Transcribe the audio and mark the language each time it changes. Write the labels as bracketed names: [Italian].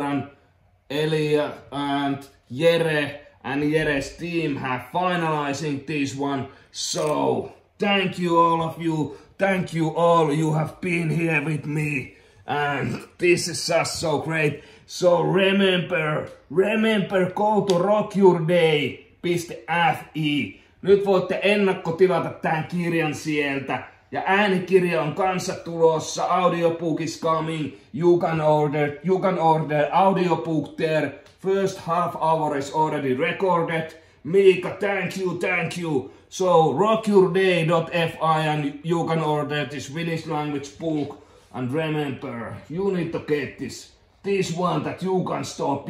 [English] And Elia and Jere and Jere's team have finalizing this one. So thank you all of you. Thank you all. You have been here with me. And this is just so great. So remember, go to rockyourday.fi. [Finnish] Nyt voitte ennakkotilata tämän kirjan sieltä. Ja äänikirja on kanssa tulossa. [English] Audiobook is coming. You can order audiobook there. First half hour is already recorded. Miika, thank you. So rockyourday.fi and you can order this Finnish language book. And remember, you need to get this. This one that you can stop.